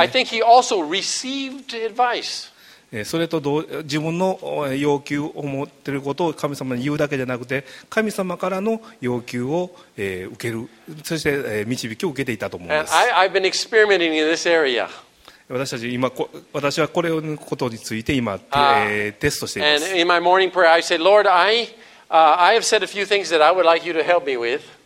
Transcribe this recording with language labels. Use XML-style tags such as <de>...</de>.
<en>I think he also received advice.</en> <ja>それと自分の要求を持っていることを神様に言うだけじゃなくて、神様からの要求を受ける、そして導きを受けていたと思うんです。</ja> <en>I've been experimenting in this area.</en> <ja>私たち今私はこれのことについて今、テストしています。</ja> <en>And in my morning prayer I said, Lord, I have said a few things that I would like you to help me with.</en>